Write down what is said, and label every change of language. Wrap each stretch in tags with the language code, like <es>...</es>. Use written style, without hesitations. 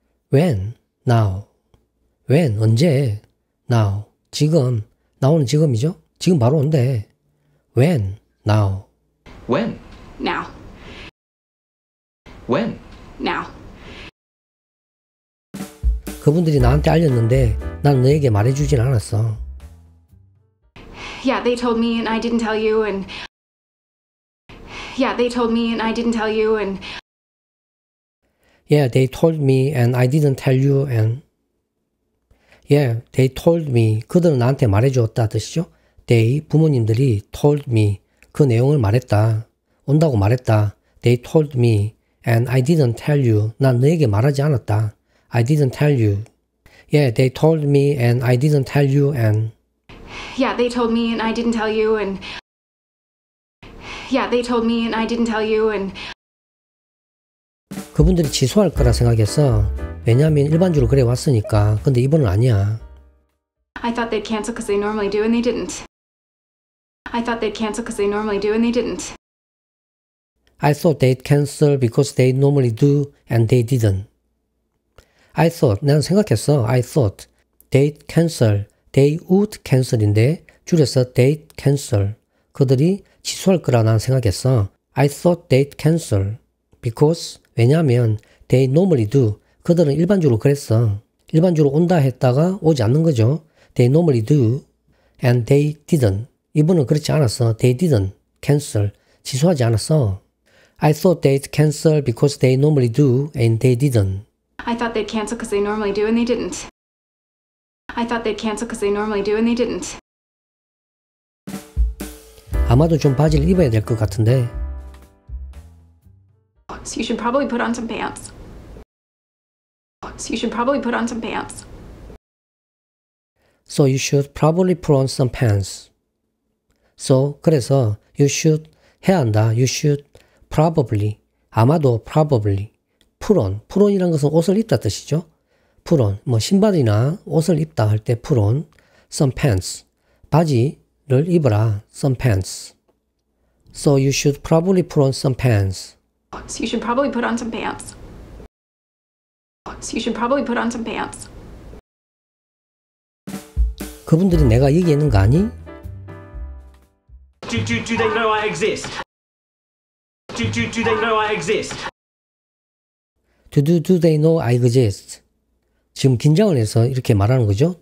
<en>When? Now. When?</en> <ko>언제?</ko> <en>Now.</en> <ko>지금. 나오는 지금이죠? 지금 바로 온대.</ko> <en>When? Now. When? Now. When? Now.</en> <ko>그분들이 나한테 알렸는데 난 너에게 말해주진 않았어.</ko> <en>Yeah, they told me and I didn't tell you and... Yeah, they told me and I didn't tell you and... Yeah, they told me and I didn't tell you and... Yeah, they told me.</en> <ko>그들은 나한테 말해주었다 뜻이죠?</ko> <en>They,</en> <ko>부모님들이</ko> <en>told me.</en> <ko>그 내용을 말했다. 온다고 말했다.</ko> <en>They told me and I didn't tell you.</en> <ko>난 너에게 말하지 않았다.</ko> <en>I didn't tell you. Yeah, they told me and I didn't tell you and... Yeah, they told me and I didn't tell you and... Yeah, they told me and I didn't tell you and...</en> <ko>그분들이 취소할 거라 생각했어. 왜냐하면 일반적으로 그래 왔으니까. 근데 이번은 아니야.</ko> <en>I thought they'd cancel because they normally do and they didn't. I thought they'd cancel because they normally do and they didn't. I thought they'd cancel because they normally do and they didn't. I thought,</en> <ko>나는 생각했어.</ko> <en>I thought, they'd cancel, they would cancel인데 줄여서 they'd cancel.</en> <ko>그들이 취소할 거라 난 생각했어.</ko> <en>I thought they'd cancel. Because,</en> <ko>왜냐하면</ko> <en>they normally do.</en> <ko>그들은 일반적으로 그랬어. 일반적으로 온다 했다가 오지 않는 거죠.</ko> <en>They normally do and they didn't.</en> <ko>이번은 그렇지 않았어.</ko> <en>They didn't cancel.</en> <ko>취소하지 않았어.</ko> <en>I thought they'd cancel because they normally do and they didn't. I thought they'd cancel because they normally do and they didn't. I thought they'd cancel because they normally do and they didn't.</en> <ko>아마도 좀 바지를 입어야 될 것 같은데.</ko> <en>So you should probably put on some pants. So you should probably put on some pants. So you should probably put on some pants. So</en> <ko>그래서</ko> <en>you should</en> <ko>해야 한다.</ko> <en>You should probably</en> <ko>아마도</ko> <en>probably put on.</en> <ko>put on이란 것은 옷을 입다 뜻이죠. put on. 뭐 신발이나 옷을 입다 할 때</ko> <en>put on some pants.</en> <ko>바지를 입어라.</ko> <en>some pants. So you should probably put on some pants. So you should probably put on some pants. So you should probably put on some pants.</en> <ko>그분들이 내가 얘기하는 거 아니?</ko> <en>Do they know I exist? Do they know I exist? Do they know I exist?</en> <ko>지금 긴장을 해서 이렇게 말하는 거죠.</ko>